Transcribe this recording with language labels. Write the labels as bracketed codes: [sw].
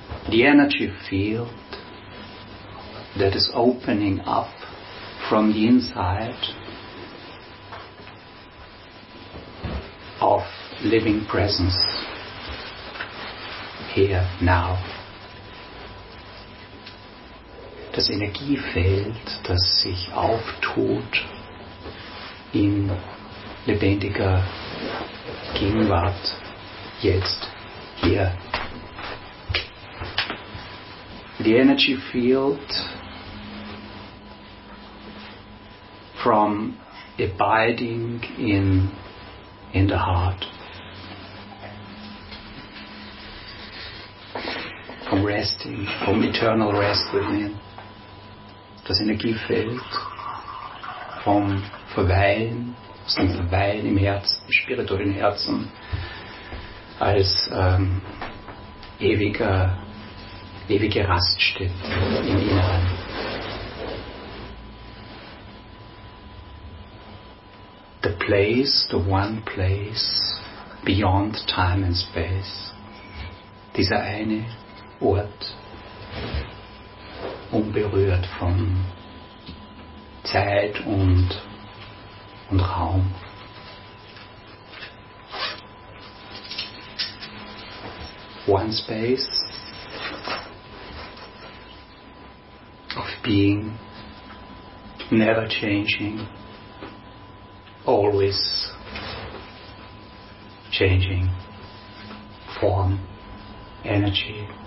[en] The energy field that is opening up from the inside of living presence here now. [de] Das Energiefeld, das sich auftut in lebendiger Gegenwart jetzt hier. [en] The energy field from abiding in the heart, from resting, from eternal rest within. [de] Das Energiefeld vom Verweilen, aus dem Verweilen im Herzen, im spirituellen Herzen, als ewige Raststätte im Inneren. [en] The place, the one place beyond time and space. [de] Dieser eine Ort, unberührt von Zeit und Raum. [en] One space of being, never changing, always changing form, energy.